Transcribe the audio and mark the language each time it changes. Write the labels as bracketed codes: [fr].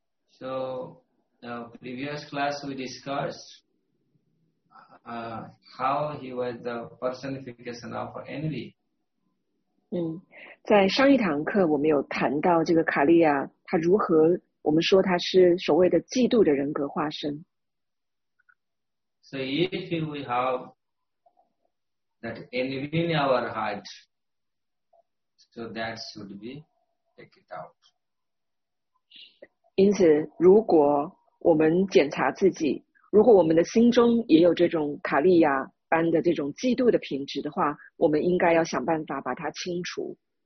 [en] So, the previous class we discussed. How he was the personification of envy. [zh] 在上一堂课我们有谈到这个卡利亚，他如何，我们说他是所谓的嫉妒的人格化身。 [en] So if we have that envy in our heart, so that should be take it out. [zh] 因此，如果我们检查自己。如果我们的心中也有这种卡利亚般的这种嫉妒的品质的话，我们应该要想办法把它清除。